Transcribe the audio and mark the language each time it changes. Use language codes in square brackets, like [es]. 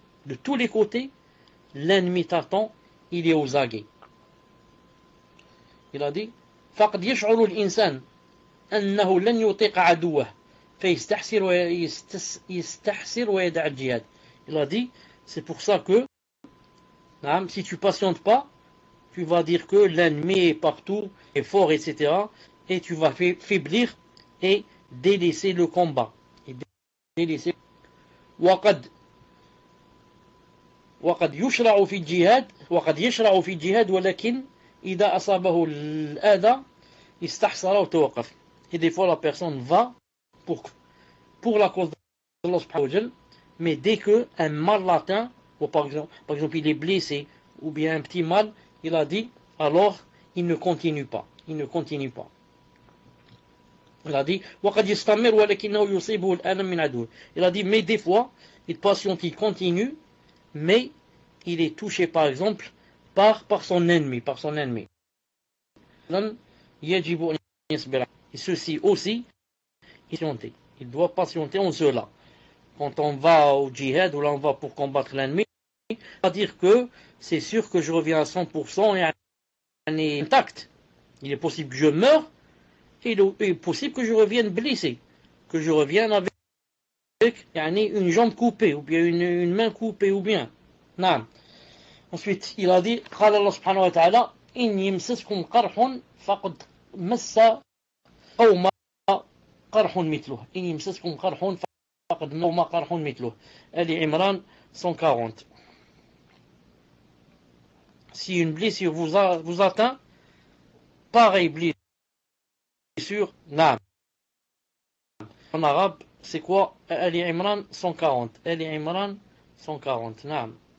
[fr] De tous les côtés, l'ennemi t'attend, il est aux aguets. Il a dit, [ar] فقد يشعر الإنسان أنه لن يطيق عدوه فيستحسر ويستحسر ويدعى الجهاد. [fr] Il a dit, c'est pour ça que si tu patientes pas, tu vas dire que l'ennemi est partout, est fort, etc. Et tu vas faiblir et délaisser le combat. Et délaisser. [ar] وقد يشرع في الجهاد وقد يشرع في الجهاد ولكن إذا أصابه الأذى استحسر وتوقف. [fr] Et des fois la personne va pour la cause d'Allah subhanahu wa ta'ala, mais dès que un mal l'atteint, ou par exemple il est blessé ou bien un petit mal, il a dit alors il ne continue pas, il ne continue pas. Il a dit [ar] وقد يستمر ولكنه يصيبه الألم من عدوه. [fr] Il a dit mais des fois il patiente, il continue, mais il est touché par exemple par son ennemi. Et ceci aussi, il doit patienter en cela. Quand on va au djihad ou là on va pour combattre l'ennemi, pas dire que c'est sûr que je reviens à 100% et un est intact. Il est possible que je meure et il est possible que je revienne blessé, que je revienne avec une jambe coupée ou bien une main coupée ou bien. Non. Ensuite, il a dit, [ar] قال الله سبحانه وتعالى إن يمسسكم قرح فقد مس قوم قرح مثله إن يمسسكم قرح فقد مس قرح مثله آل عمران 140. [fr] Si une blessure vous atteint, pareille blessure, naam. En arabe, c'est quoi? Ali Imran 140. Ali Imran 140, naam.